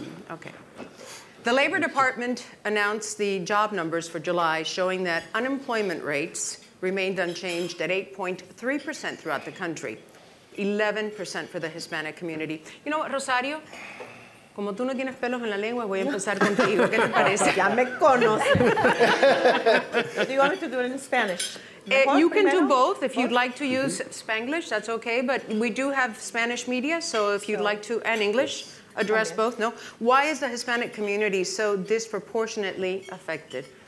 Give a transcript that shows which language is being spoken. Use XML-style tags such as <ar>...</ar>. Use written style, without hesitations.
<en>Okay. The Labor Department announced the job numbers for July, showing that unemployment rates remained unchanged at 8.3% throughout the country, 11% for the Hispanic community. You know what, Rosario?</en> <es>Como tú no tienes pelos en la lengua, voy a empezar contigo. ¿Qué te parece? Ya me conozco.</es> <en>Do you want me to do it in Spanish? You can do both. If you'd like to use Spanglish, that's okay. But we do have Spanish media, so if you'd like to, and English, address both. No. Why is the Hispanic community so disproportionately affected?</en>